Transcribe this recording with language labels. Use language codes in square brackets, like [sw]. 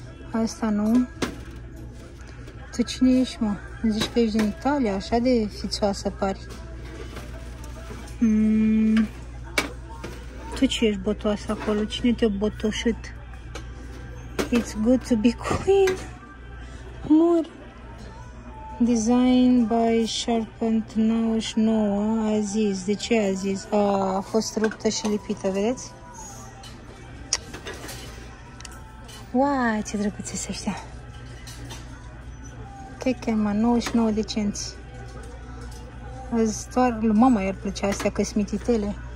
[ro] Asta nu. Tu cine ești, mă? Îmi zici că ești din Italia, așa de fițoasă pari. Tu ce ești botoasă acolo? Cine te-a botoșit? [en] It's good to be queen. More design by Sharpened 99, [ro] a zis. De ce a zis? A fost ruptă și lipită, vedeți? Wow, ce drăguțe sunt ăștia. Kekema, 99 de cenți. Doar lui mama i-ar plăcea astea, că-s mititele.